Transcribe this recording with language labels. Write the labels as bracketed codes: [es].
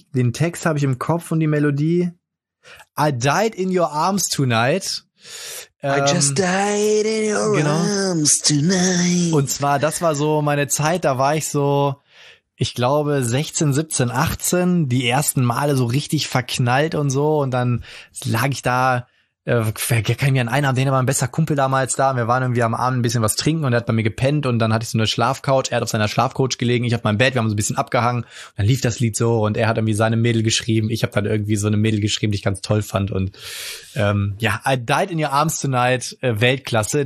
[de] Den Text habe ich im Kopf und die Melodie. [en] I died in your arms tonight. I just died in your arms tonight. [de] Und zwar, das war so meine Zeit, da war ich so, ich glaube 16, 17, 18, die ersten Male so richtig verknallt und so, und dann lag ich da, kann mir an einen Abend, der war ein bester Kumpel damals da, wir waren irgendwie am Abend ein bisschen was trinken und er hat bei mir gepennt und dann hatte ich so eine Schlafcouch, er hat auf seiner Schlafcouch gelegen, ich auf meinem Bett, wir haben so ein bisschen abgehangen, und dann lief das Lied so und er hat irgendwie seine Mädel geschrieben, ich habe dann irgendwie so eine Mädel geschrieben, die ich ganz toll fand, und ja, I Died in Your Arms Tonight, Weltklasse.